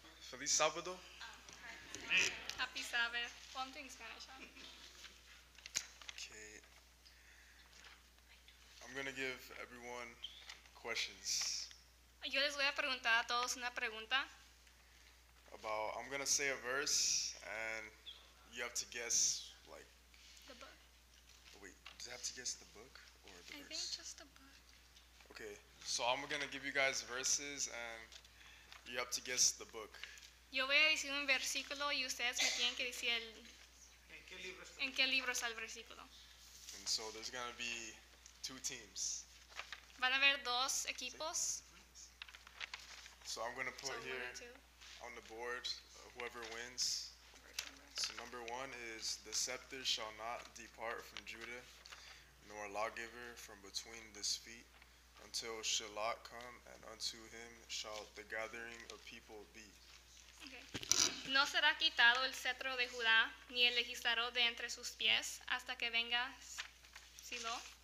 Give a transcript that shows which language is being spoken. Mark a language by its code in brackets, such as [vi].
[es] Feliz sábado. [en] Happy Sabbath. One thing Spanish. I'm going to give everyone questions. [es] Yo les voy a preguntar a todos una pregunta. [en] About, I'm going to say a verse and you have to guess like the book. Wait, does it have to guess the book or the I verse? I think just the book. Okay, so I'm going to give you guys verses and you have to guess the book. [es] Yo voy a decir un versículo y ustedes me tienen que decir el ¿En qué libro está el versículo? [en] And so there's going to be two teams. [es] Van a haber dos equipos. [en] So I'm going to put here on the board whoever wins. So number one is the scepter shall not depart from Judah, nor lawgiver from between his feet, until Shiloh come, and unto him shall the gathering of people be. [es] Okay. No será quitado el cetro de Judá, ni el legislador de entre sus pies, hasta que venga Shiloh.